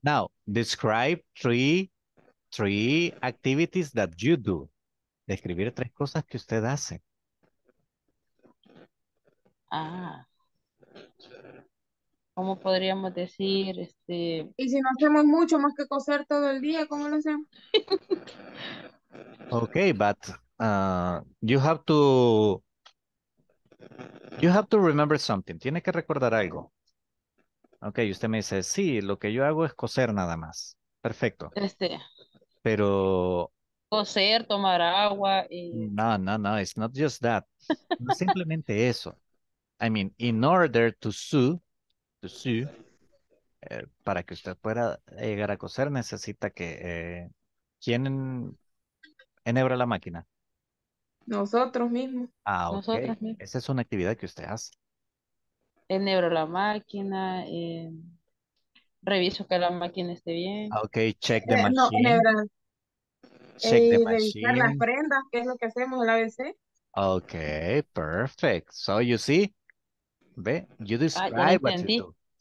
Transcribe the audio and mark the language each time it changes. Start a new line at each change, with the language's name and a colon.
English: Now, describe three activities that you do.
Spanish: Describir tres cosas que usted hace. Ah. ¿Cómo podríamos decir? Este... ¿Y si no hacemos mucho más que coser todo el día? ¿Cómo lo hacemos?
English: Okay, but you have to remember something.
Spanish: Tiene que recordar algo. Ok, y usted me dice, sí, lo que yo hago es coser nada más. Perfecto. Este. Pero... coser, tomar agua y...
English: No, no, no, it's not just that.
Spanish: No es simplemente eso.
English: I mean, in order to sew,
Spanish: para que usted pueda llegar a coser, necesita que... ¿quién enhebra la máquina? Nosotros mismos. Ah, ok. Nosotros mismos. Esa es una actividad que usted hace. Enhebro la máquina, reviso que la máquina esté bien.
English: Ok, check the machine. No, enhebra. Check the machine.
Spanish: Revisar las prendas, que es lo que hacemos en la ABC.
English: Ok, perfect. So you see, ve, you describe what you do.